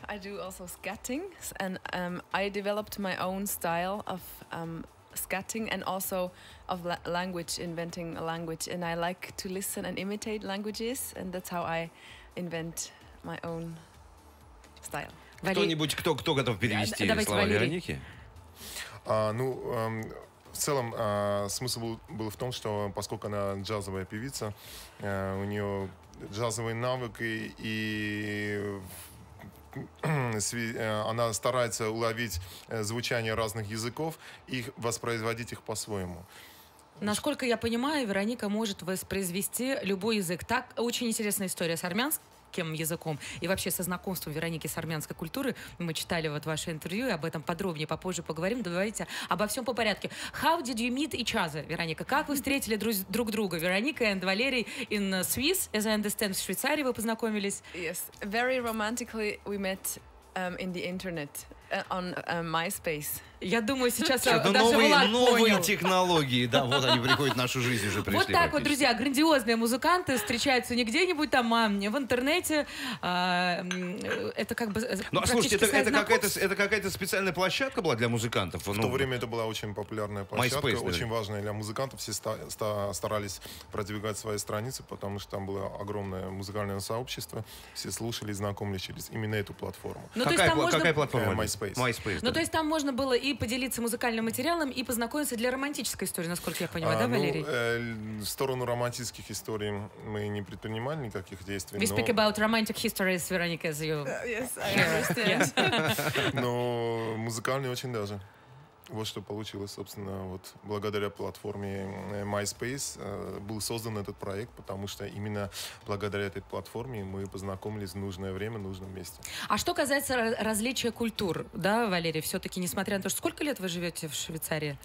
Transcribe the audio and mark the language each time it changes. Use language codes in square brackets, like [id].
[en] I do also scatting, and I developed my own style of scatting and also of language, inventing a language. And I like to listen and imitate languages, and that's how I invent my own style. [ru] Кто-нибудь, кто готов перевести слова Вероники? В целом, смысл был в том, что поскольку она джазовая певица, у нее джазовые навыки, и она старается уловить звучание разных языков и воспроизводить их по-своему. Насколько я понимаю, Вероника может воспроизвести любой язык. Так, очень интересная история с армянским языком и вообще со знакомством Вероники с армянской культурой. Мы читали вот ваше интервью, и об этом подробнее попозже поговорим. Давайте обо всем по порядку. [en] How did you meet each other, Вероника? [ru] Как вы встретили друг друга? [en] Вероника and Валерий in Swiss, as I understand, [ru] в Швейцарии вы познакомились? [en] Yes, very romantically we met in the internet, on MySpace. [ru] Я думаю, сейчас новые технологии, да, вот они приходят в нашу жизнь, уже пришли. Вот так вот, друзья, грандиозные музыканты встречаются не где-нибудь там, а в интернете. Это как бы... Ну, слушайте, это какая-то специальная площадка была для музыкантов? В то время это была очень популярная площадка, очень важная для музыкантов. Все старались продвигать свои страницы, потому что там было огромное музыкальное сообщество. Все слушали и знакомились через именно эту платформу. Какая платформа? MySpace. Ну, то есть там можно было и поделиться музыкальным материалом, и познакомиться для романтической истории, насколько я понимаю, да, Валерий? В сторону романтических историй мы не предпринимали никаких действий. [en] We speak about romantic histories, Veronica, as you... Yes, I understand. [ru] Но музыкальный очень даже. Вот что получилось, собственно, вот благодаря платформе MySpace был создан этот проект, потому что именно благодаря этой платформе мы познакомились в нужное время, в нужном месте. А что касается различия культур, да, Валерий, все-таки, несмотря на то, что сколько лет вы живете в Швейцарии?